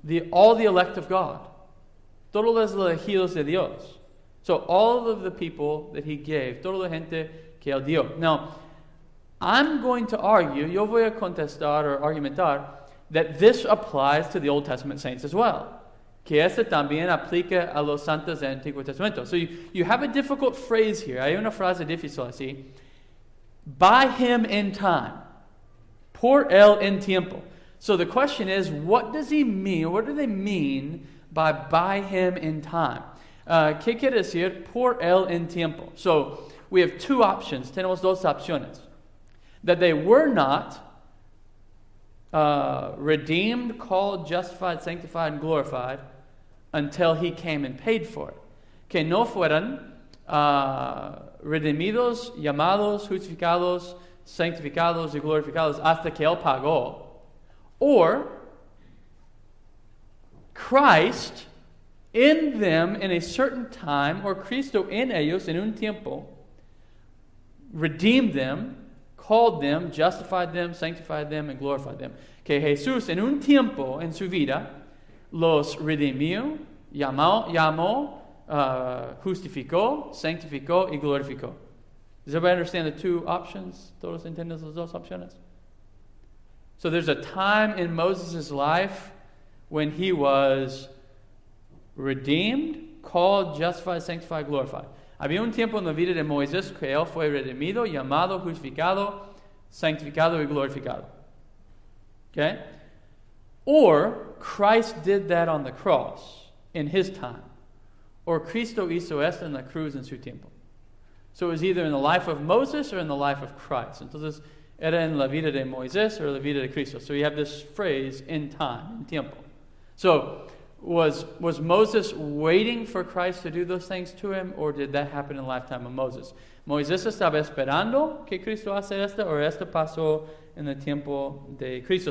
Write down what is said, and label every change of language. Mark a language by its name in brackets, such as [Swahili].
[English] All the elect of God. [Spanish] Todos los elegidos de Dios. [English] So all of the people that he gave. [Spanish] Toda la gente que él dio. [English] Now, I'm going to argue, [Spanish] yo voy a contestar or argumentar, [English] that this applies to the Old Testament saints as well. [Spanish] Que este también aplica a los santos del Antiguo Testamento. [English] So you have a difficult phrase here. [Spanish] Hay una frase difícil así. [English] By him in time. [Spanish] Por él en tiempo. [English] So the question is, what does he mean? What do they mean by him in time? [Spanish] ¿Qué quiere decir por él en tiempo? [English] So we have two options. [Spanish] Tenemos dos opciones. [English] That they were not redeemed, called, justified, sanctified, and glorified until he came and paid for it. [Spanish] Que no fueran redimidos, llamados, justificados, sanctificados, y glorificados hasta que él pagó. [English] Or, Christ in them in a certain time, or [Spanish] Cristo en ellos en un tiempo, [English] redeemed them, called them, justified them, sanctified them, and glorified them. [Spanish] Que Jesús en un tiempo en su vida los redimió, llamó, justificó, sanctificó, y glorificó. [English] Does everybody understand the two options? [Spanish] ¿Todos entienden las dos opciones? [English] So there's a time in Moses' life when he was redeemed, called, justified, sanctified, glorified. [Spanish] Había un tiempo en la vida de Moisés que él fue redimido, llamado, justificado, sanctificado y glorificado. [English] Okay? Or Christ did that on the cross in his time. [Spanish] Or Cristo hizo esto en la cruz en su tiempo. [English] So it was either in the life of Moses or in the life of Christ. [Spanish] Entonces, era en la vida de Moisés or la vida de Cristo. [English] So you have this phrase, in time, in tiempo. So, was Moses waiting for Christ to do those things to him, or did that happen in the lifetime of Moses? [Spanish] ¿Moisés estaba esperando que Cristo hace esto, o esto pasó en el tiempo de Cristo?